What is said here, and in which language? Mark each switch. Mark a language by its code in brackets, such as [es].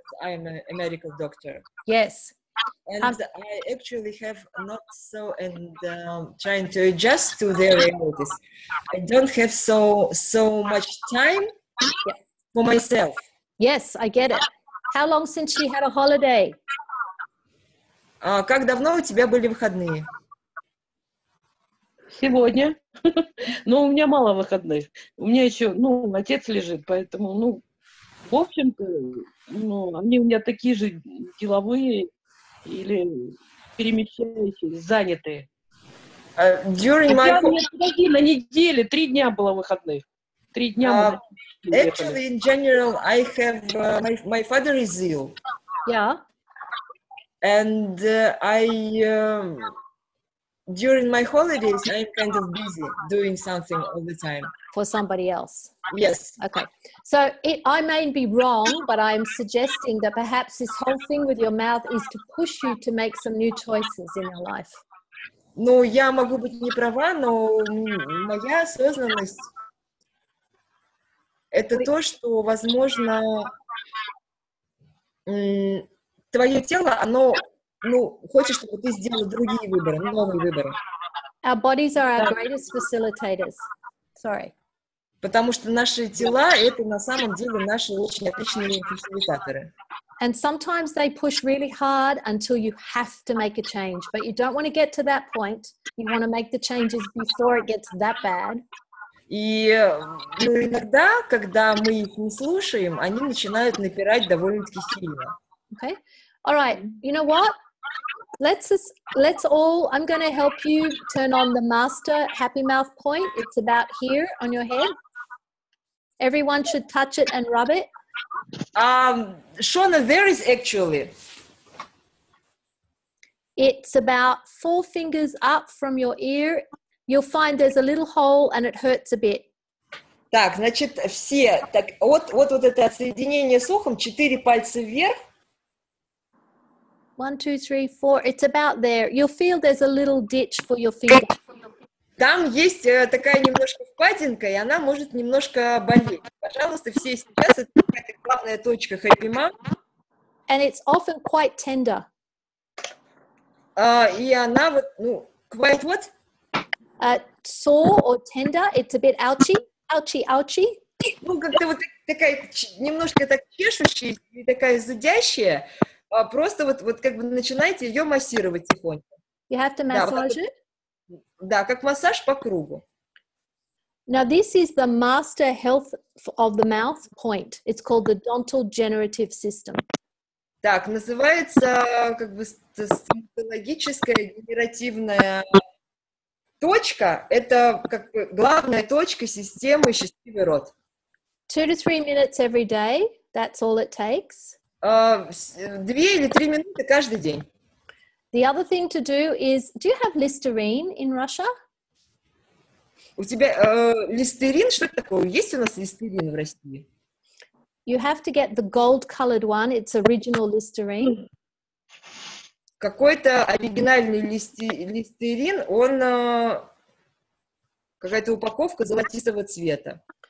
[en] I'm a medical doctor. Yes. And I actually have not so, and trying to adjust to their realities. I don't have so much time for myself. Yes, I get it. How long since she had a holiday? [ru] Как давно у тебя были выходные? Сегодня. Но у меня мало выходных. У меня еще, ну, отец лежит, поэтому, ну, в общем-то, ну, они у меня такие же деловые или перемещающие, занятые. Подожди, на неделе, 3 дня было выходных. 3 дня мы [en] выходили. Actually, in general, I have my father is ill. Yeah. And I... during my holidays, I'm kind of busy doing something all the time. For somebody else? Yes. Okay. So I may be wrong, but I'm suggesting that perhaps this whole thing with your mouth is to push you to make some new choices in your life. [ru] Ну, я могу быть не права, но моя осознанность – это то, что, возможно, твое тело, оно, ну, хочет, чтобы ты сделал другие выборы, новые выборы. [en] Our bodies are our greatest facilitators. Sorry. [ru] Потому что наши тела – это на самом деле наши очень отличные фасилитаторы. [en] And sometimes they push really hard until you have to make a change. But you don't want to get to that point. You want to make the changes before it gets that bad. [ru] И иногда, когда мы их не слушаем, они начинают напирать довольно-таки сильно. [en] Okay. All right. You know what? I'm going to help you turn on the master happy mouth point. It's about here on your head. Everyone should touch it and rub it. Shona, there is actually. It's about four fingers up from your ear. You'll find there's a little hole and it hurts a bit. [ru] Так, значит, все, так, вот это соединение с ухом, четыре пальца вверх. [en] One, two, three, four. It's about there. You'll feel there's a little ditch for your finger. [ru] Там есть такая немножко впадинка, и она может немножко болеть. Пожалуйста, все сейчас, это главная точка Happy Mom. [en] And it's often quite tender. [ru] И она вот, ну, [en] quite what? Sore or tender, it's a bit ouchy, ouchy, ouchy. [ru] Ну, как-то вот такая, немножко так чешущая и такая зудящая. Просто вот как бы начинайте ее массировать тихонько. [en] You have to massage it? [ru] Да, как массаж по кругу. [en] Now this is the master health of the mouth point. It's called the dental generative system. [ru] Так, называется как бы стоматологическая генеративная точка. Это как бы главная точка системы счастливый рот. [en] 2 to 3 minutes every day. That's all it takes. [ru] 2 или 3 минуты каждый день. [en] The other thing to do is, do you have Listerine in Russia? [ru] У тебя Listerine, что это такое? Есть у нас Listerine в России? [en] You have to get the gold-colored one. It's original Listerine. [ru] Какой-то оригинальный Listerine, он какая-то упаковка золотистого цвета.